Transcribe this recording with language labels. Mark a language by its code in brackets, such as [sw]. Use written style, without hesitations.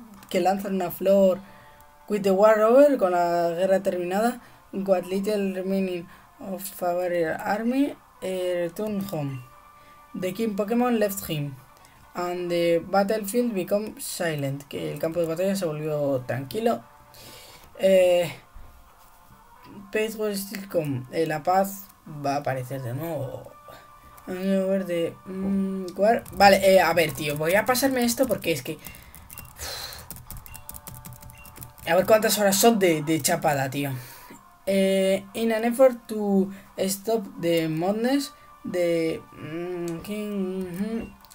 [es] Que lanzan una flor. [en] With the war over, [es] con la guerra terminada, [en] what little remaining of our army return home. The King Pokémon left him, and the battlefield become silent. [es] Que el campo de batalla se volvió tranquilo. [en] Peace will still come. [es] La paz va a aparecer de nuevo. [en] Over the war. [es] Vale, a ver, tío, voy a pasarme esto porque es que. A ver cuántas horas son de chapada, tío. [en] In an effort to stop the madness, the king